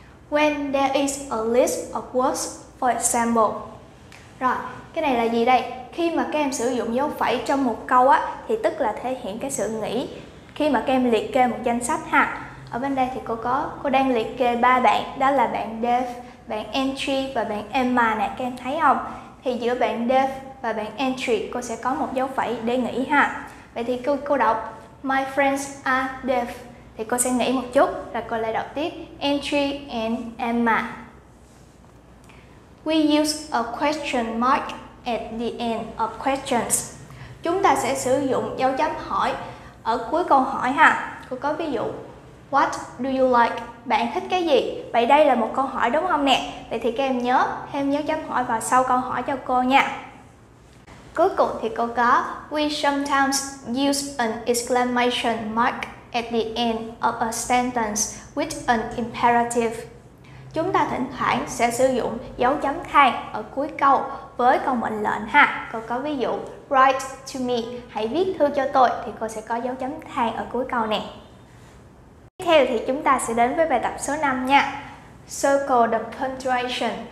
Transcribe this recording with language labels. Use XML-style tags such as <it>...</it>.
<en>When there is a list of words, for example.</en> <vi>Rồi, cái này là gì đây? Khi mà các em sử dụng dấu phẩy trong một câu á, thì tức là thể hiện cái sự nghĩ. Khi mà các em liệt kê một danh sách ha. Ở bên đây thì cô đang liệt kê ba bạn, đó là bạn Dave, bạn Entry và bạn Emma nè, các em thấy không? Thì giữa bạn Dave và bạn Entry, cô sẽ có một dấu phẩy để nghĩ ha. Vậy thì cô đọc,</vi> <en>my friends are deaf.</en> <vi>Thì cô sẽ nghĩ một chút, rồi cô lại đọc tiếp,</vi> <en>Entry and Emma. We use a question mark at the end of questions.</en> <vi>Chúng ta sẽ sử dụng dấu chấm hỏi ở cuối câu hỏi ha. Cô có ví dụ,</vi> <en>what do you like?</en> <vi>Bạn thích cái gì? Vậy đây là một câu hỏi đúng không nè? Vậy thì các em nhớ thêm dấu chấm hỏi vào sau câu hỏi cho cô nha. Cuối cùng thì cô có,</vi> <en>we sometimes use an exclamation mark at the end of a sentence with an imperative.</en> <vi>Chúng ta thỉnh thoảng sẽ sử dụng dấu chấm than ở cuối câu với câu mệnh lệnh ha. Cô có ví dụ,</vi> <en>write to me,</en> <vi>hãy viết thư cho tôi, thì cô sẽ có dấu chấm than ở cuối câu nè. Tiếp theo thì chúng ta sẽ đến với bài tập số 5 nha.</vi> <en>Circle the punctuation.</en>